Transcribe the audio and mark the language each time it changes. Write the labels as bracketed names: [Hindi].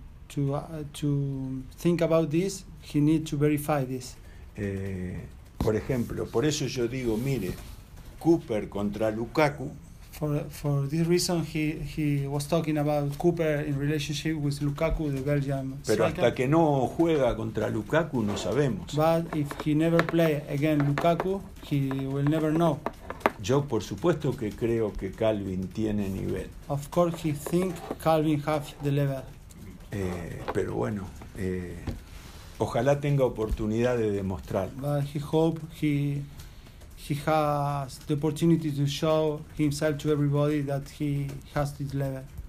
[English] To think about this, he need to verify this. [Spanish] Por ejemplo, por eso yo digo, mire, Cooper contra Lukaku. [English] For this reason he was talking about Cooper in relationship with Lukaku, the Belgian striker. [Spanish] Pero hasta que no juega contra Lukaku no sabemos. [English] But if he never play again Lukaku, he will never know. [Spanish] Yo por supuesto que creo que Calvin tiene nivel. [English] Of course he think Calvin have the level. [Spanish] Pero bueno, ojalá tenga oportunidad de demostrarlo. [English] But he hope he has the opportunity to show himself to everybody that he has this level.